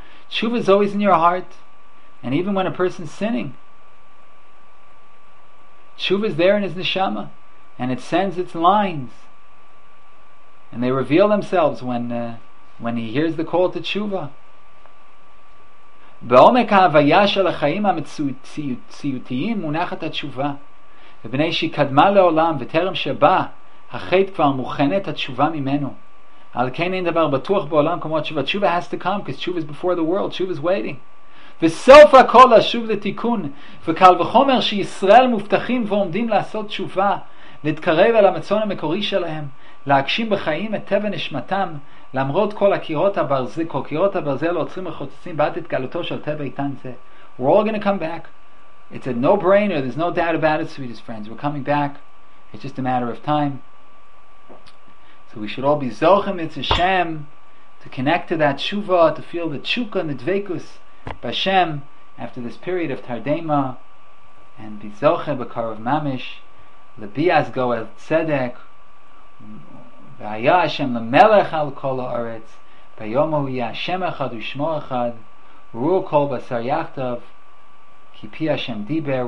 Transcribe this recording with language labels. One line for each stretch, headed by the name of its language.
English: Tshuva is always in your heart, and even when a person's sinning, tshuva is there in his neshama, and it sends its lines, and they reveal themselves when he hears the call to tshuva.
Hebrew: בעומק ההוויה של החיים המציאותיים מונחת התשובה. ובני שהיא קדמה לעולם וטרם שבא, החטא כבר מוכנת התשובה ממנו. על כן אין דבר בטוח בעולם כמו התשובה.
English: תשובה has to come, because תשובה is before the world, תשובה is waiting.
Hebrew: וסוף הכל לשוב לתיקון, וקל וחומר שישראל מובטחים ועומדים לעשות תשובה, להתקרב אל המצון המקורי שלהם, להגשים בחיים את טבע נשמתם, למרות כל הקירות הברזל, כל קירות הברזל עוצרים וחוצצים בעד התגלותו של טבע איתן זה.
English: We're all going to come back. It's a no-brainer. There's no doubt about it, sweetest friends. We're coming back. It's just a matter of time. So we should all be zochem, it's Hashem, to connect to that tshuva, to feel the tshuka and the dveikus b'Hashem after this period of tardema, and be zochem
Hebrew: b'karav mamish, lebi'az goel tzedek, והיה השם למלך על כל הארץ, ביום הוא יהיה השם אחד ושמו אחד, רואו כל בשר יחדיו, כי פי השם דיבר.